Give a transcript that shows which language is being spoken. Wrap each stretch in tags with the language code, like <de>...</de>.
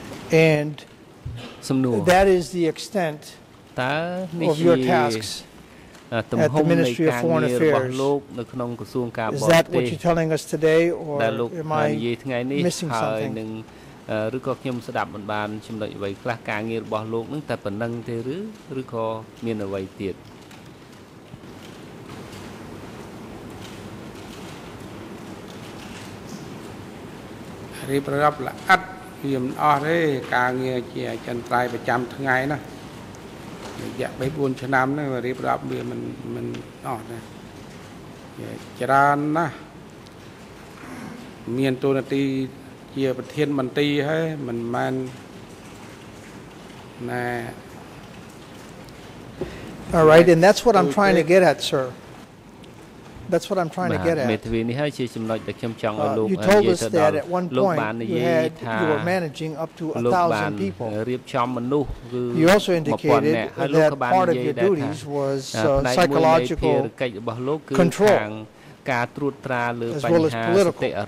<en>And that is the extent of your tasks at the Ministry of Foreign Affairs. Is that what you're telling us today, or am I missing something?</en> <km>ឬក៏ ខ្ញុំ ស្ដាប់ មិន បាន ចំណុច អ្វី ខ្លះ ការ ងារ របស់ លោក នឹង តែ ប៉ុណ្្នឹង ទេ ឬ ក៏ មាន អ្វី ទៀត ខ្ញុំ អស់ ទេ ការ ងារ ជា ចន្ទ្រៃ ប្រចាំ ថ្ងៃ ណា រយៈ 3-4 ឆ្នាំ ហ្នឹង រៀប រាប់ វា មិន អស់ ទេ ច្រើន ណាស់ មាន តួនាទី ជា ប្រធាន មន្ត្រី ហើយ មិន មែន ណា</km> <en>All right, and that's what I'm trying to get at, sir. That's what I'm trying to get at. You told us that at one point you were managing up to 1,000 people. You also indicated that part of your duties was psychological control, as well as political.</en>